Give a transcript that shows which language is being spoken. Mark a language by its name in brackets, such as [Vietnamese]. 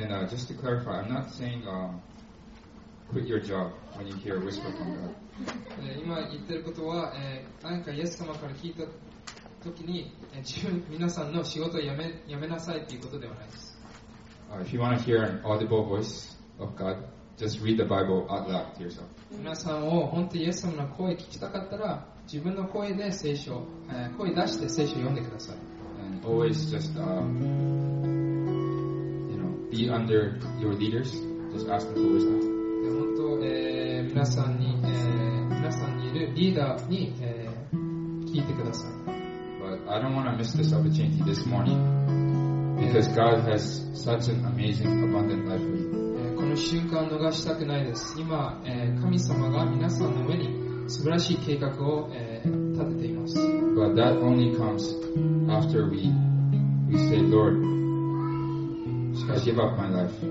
[English] And just to clarify, I'm not saying quit your job when you hear a whisper from God. [Japanese] 今言ってることは、何かイエス様から聞いた時に、自分皆さんの仕事をやめなさいということではないです。 [English] If you want to hear an audible voice of God, just read the Bible out loud to yourself. [Japanese] 皆さんを本当にイエス様の声を聞きたかったら、自分の声で聖書、声出して聖書を読んでください。 [English] And always just, you know, be under your leaders. Just ask them for wisdom. [Japanese] 本当、皆さんにいるリーダーに、聞いてください。 [English] But I don't want to miss this opportunity this morning. Because God has such an amazing, abundant life for you. [Japanese] この瞬間逃したくないです。今、神様が皆さんの上に素晴らしい計画を、立てています。 [English] But that only comes after we say, Lord, I give up my life.